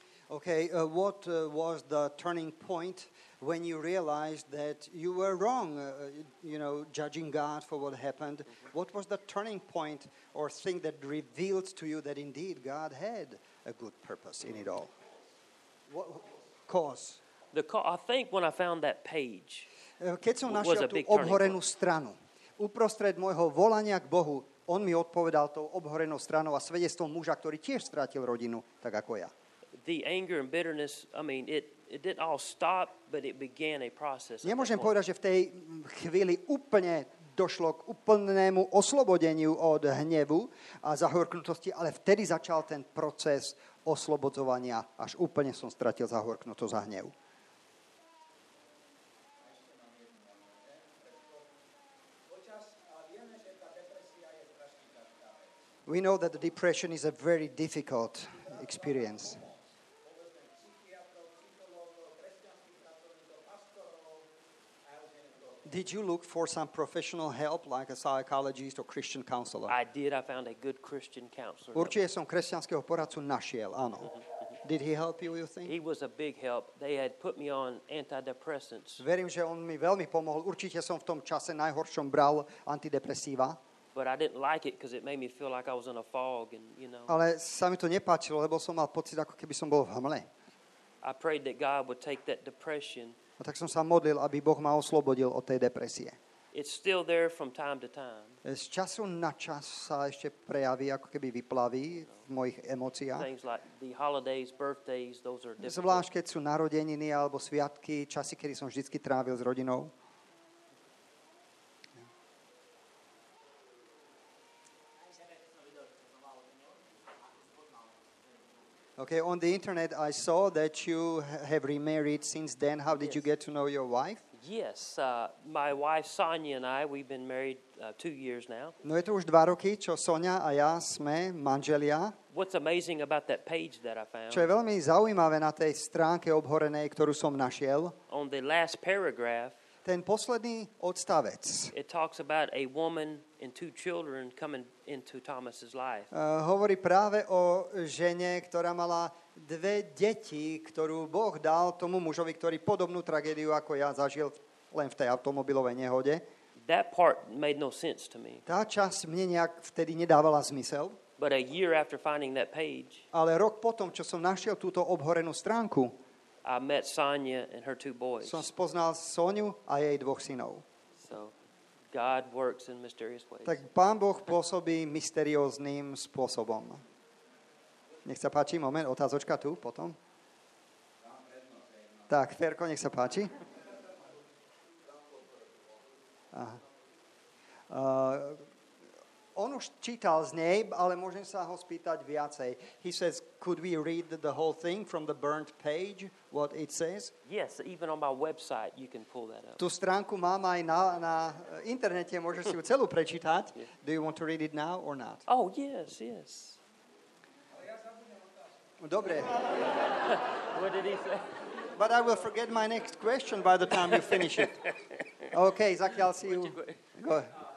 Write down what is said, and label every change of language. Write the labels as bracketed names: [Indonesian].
[English] Okay, what was the turning point when you realized that you were wrong, judging God for what happened? Mm-hmm. What was the turning point or thing that revealed to you that indeed God had a good purpose in it all? What cause? The cause. I think when I found that page. [Slovak] Keď som našiel tú obhorenú stranu, uprostred môjho volania k Bohu, on mi odpovedal tou obhorenou stranou a svedectvom muža, ktorý tiež strátil rodinu, tak ako ja. [English] The anger and bitterness, I mean, it didn't all stop, but it began a process. [Slovak] Nemôžem povedať, že v tej chvíli úplne došlo k úplnému oslobodeniu od hnevu a zahorknutosti, ale vtedy začal ten proces oslobodzovania, až úplne som stratil zahorknutosť a hnev. [English] We know that the depression is a very difficult experience. Did you look for some professional help like a psychologist or Christian counselor? I did. I found a good Christian counselor. [Slovak] Určite som kresťanského poradcu našiel, áno. [English] Did he help you, you think? He was a big help. They had put me on antidepressants. [Slovak] Verím, že on mi veľmi pomohol. Určite som v tom čase najhoršom bral antidepresíva. [English] But I didn't like it because it made me feel like I was in a fog and you know. [Slovak] Ale sa mi to nepáčilo, lebo som mal pocit ako keby som bol v hmle. [English] I prayed that God would take that depression. [Slovak] A tak som sa modlil, aby Boh ma oslobodil od tej depresie. [English] It's still there from time to time. [Slovak] Z času na čas sa ešte prejaví, ako keby vyplaví v mojich emóciách. [English] Things like the holidays, birthdays, those are difficult. [Slovak] Zvlášť keď sú narodeniny alebo sviatky, časy, kedy som vždycky trávil s rodinou. [English] Okay, on the internet I saw that you have remarried since then. How did you get to know your wife? Yes, my wife Sonia and I, we've been married 2 years now. [Slovak] No, je to už 2 roky, čo Sonia a ja sme manželia. [English] What's amazing about that page that I found? [Slovak] Čo je veľmi zaujímavé na tej stránke obhorenej, ktorú som našiel. [English] On the last paragraph. [Slovak] Ten posledný odstavec. [English] It talks about a woman and two children coming into Thomas's life. [Slovak] Hovorí práve o žene, ktorá mala 2 deti, ktorú Boh dal tomu mužovi, ktorý podobnú tragédiu ako ja zažil len v tej automobilovej nehode. [English] That part made no sense to me. [Slovak] Tá časť mne nejak vtedy nedávala zmysel. [English] But a year after finding that page. [Slovak] Ale rok potom, čo som našiel túto obhorenú stránku, [English] I met Sonia and her 2 boys. [Slovak] Som spoznal Soniu a jej 2 synov. [English] So God works in mysterious ways. [Slovak] Tak Pán Boh pôsobí mysterióznym spôsobom. Nech sa páči, moment, otázočka tu, potom. Tak, Ferko, nech sa páči. Aha. On už čítal z nej, ale môžem sa ho spýtať viacej. [English] He says, could we read the whole thing from the burnt page, what it says? Yes, even on my website you can pull that up. [Slovak] Tú stránku mám aj na internete, môžeš si ju celú prečítať. [English] Yeah. Do you want to read it now or not? Oh, yes, yes. [Slovak] Dobre. [English] What did he say? But I will forget my next question by the time you finish it. Okay, [Slovak] zatiaľ si ju... [English] Go ahead.